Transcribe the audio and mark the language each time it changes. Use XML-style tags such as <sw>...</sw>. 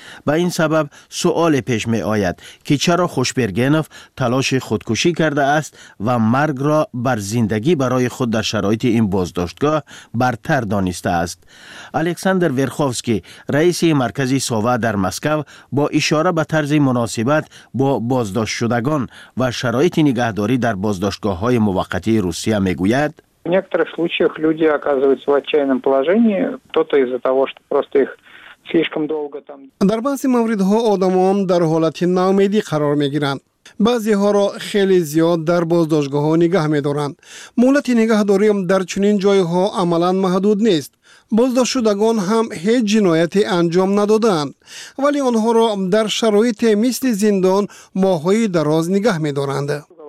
<fa>به این سبب سؤال پیش می آید که چرا خوشبرگنف تلاش خودکشی کرده است و مرگ را بر زندگی برای خود در شرایط این بازداشتگاه برتر دانسته است. الکساندر ورخوفسکی رئیس مرکز ساوا در مسکو با اشاره به طرز مناسبت با بازداشت شدگان و شرایط نگهداری در بازداشتگاه های موقتی روسیه می گوید</fa> <ru>в некоторых случаях люди оказываются в отчаянном положении, кто-то из-за того, что просто их слишком долго там.</ru> <fa>در بعضی مواردها آدمان در حالت ناامیدی قرار می گیرند. بعضی ها را خیلی زیاد در بازداشتگاه ها نگه می دارند. مهلت نگهداری هم در چنین جای ها عملا محدود نیست. بازداشت شدگان هم هیچ جنایتی انجام ندادند، ولی آنها را در شرایط مثل زندان ماهای دراز نگه می دارند.</fa>